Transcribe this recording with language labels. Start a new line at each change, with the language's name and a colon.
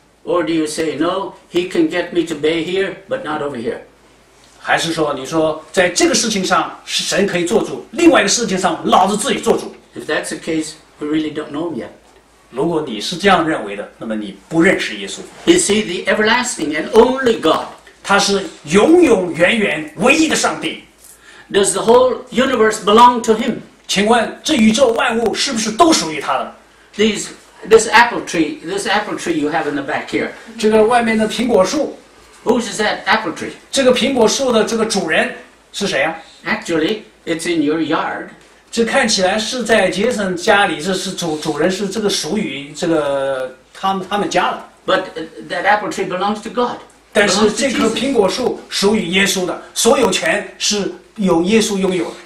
English: ？Or do you say no? He can get me to obey here, but not over here.
Chinese: 还是说，你说在这个事情上是神可以做主，另外一个事情上老子自己做主
English: ？If that's the case, we really don't know him yet.
Chinese: 如果你是这样认为的，那么你不认识耶稣。
English: Is he the everlasting and only God?
Chinese: 他是永永远远唯一的上帝。
English: Does the whole universe belong to him?
Chinese: 请问这宇宙万物是不是都属于他的
English: ？This apple tree you have in the back here.
Chinese: 这个外面的苹果树。
English: Who's that apple tree?
Chinese: 这个苹果树的这个主人是谁啊
English: ？Actually, it's in your yard.
Chinese: 这看起来是在杰森家里，这是主人是这个属于这个他们家的。
English: But that apple tree belongs to God.
Chinese: 但是这棵苹果树属于耶稣的，所有权是由耶稣拥有。